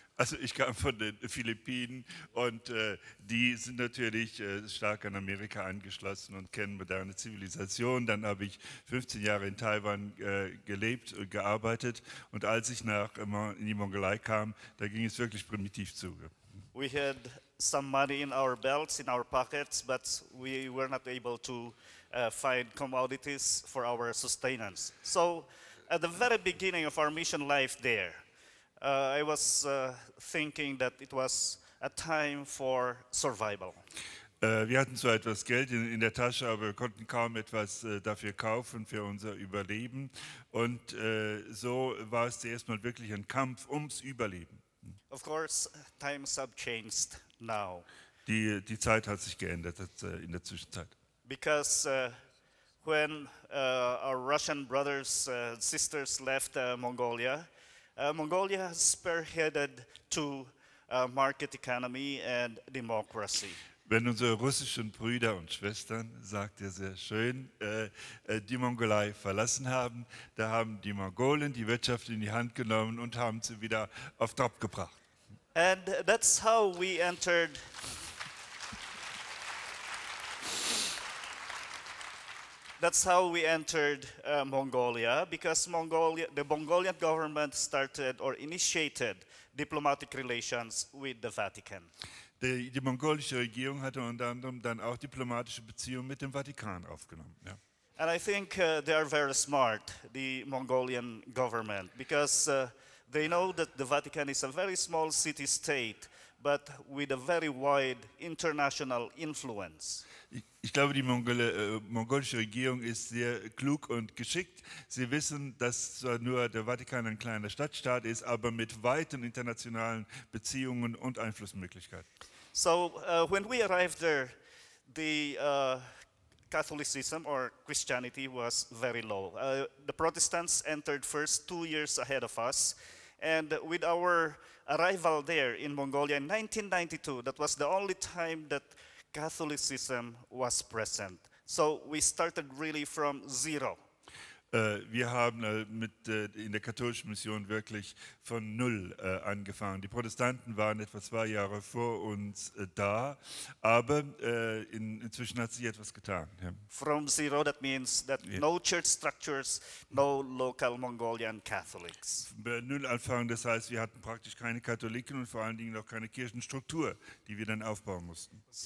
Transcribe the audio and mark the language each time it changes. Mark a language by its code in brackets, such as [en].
[de] Also ich kam von den Philippinen und die sind natürlich stark an Amerika angeschlossen und kennen moderne Zivilisation. Dann habe ich 15 Jahre in Taiwan gelebt und gearbeitet. Und als ich nach in die Mongolei kam, da ging es wirklich primitiv zu. [en] We had some money in our belts, in our pockets, but we were not able to find commodities for our sustenance. So at the very beginning of our mission life there, I was thinking that it was a time for survival. [de] Wir hatten zwar etwas Geld in der Tasche, aber wir konnten kaum etwas dafür kaufen, für unser Überleben. Und so war es zuerst mal wirklich ein Kampf ums Überleben. [en] Of course, times have changed now. [de] Die Zeit hat sich geändert in der Zwischenzeit. [en] Because when our Russian brothers and sisters left Mongolia, Mongolia has spearheaded to market economy and democracy. [de] Wenn unsere russischen Brüder und Schwestern, sagt er sehr schön, die Mongolei verlassen haben, da haben die Mongolen die Wirtschaft in die Hand genommen und haben sie wieder auf Trab gebracht. [en] And that's how we entered. That's how we entered Mongolia, because the Mongolian government started or initiated diplomatic relations with the Vatican. [de] Die mongolische Regierung hatte unter anderem dann auch diplomatische Beziehungen mit dem Vatikan aufgenommen. Ja. [en] And I think they are very smart, the Mongolian government, because they know that the Vatican is a very small city-state, but with a very wide international influence. [de] Ich glaube, die mongolische Regierung ist sehr klug und geschickt. Sie wissen, dass zwar nur der Vatikan ein kleiner Stadtstaat ist, aber mit weiten internationalen Beziehungen und Einflussmöglichkeiten. [en] So, when we arrived there, the Catholicism or Christianity was very low. The Protestants entered first 2 years ahead of us, and with our arrival there in Mongolia in 1992, that was the only time that Catholicism was present. So we started really from zero. [de] Wir haben in der katholischen Mission wirklich von null angefangen. Die Protestanten waren etwa 2 Jahre vor uns da, aber inzwischen hat sich etwas getan. Ja. [en] From zero, that means that no church structures, no local Mongolian Catholics. [de] Null anfangen, das heißt, wir hatten praktisch keine Katholiken und vor allen Dingen auch keine Kirchenstruktur, die wir dann aufbauen mussten.